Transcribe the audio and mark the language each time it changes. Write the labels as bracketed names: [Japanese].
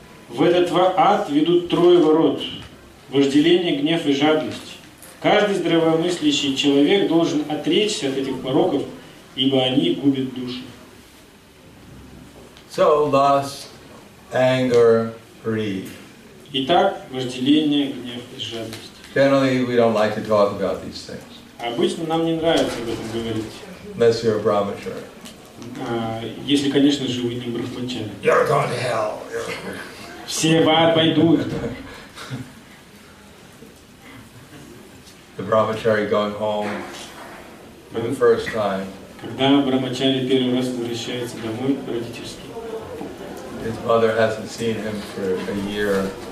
[Russian] В этот ад ведут трое ворот: вожделение, гнев и жадность. Каждый здравомыслящий человек должен отречься от этих пороков, ибо они губят душу. [English] So lust, anger, greed. [Russian] Итак, вожделение, гнев и жадность. [English] Generally, we don't like to talk about these things. [Russian] Обычно нам не нравится об этом говорить. [English] Unless you're a brahmachari. [Russian] Если, конечно же, вы не брахманчари. [English] You're going to hell. [Russian] Все в ад пойдут. [English] The brahmachari going home for the first time. [Russian] Когда брахманчари первый раз возвращается домой родительски. [English] His mother hasn't seen him for a year.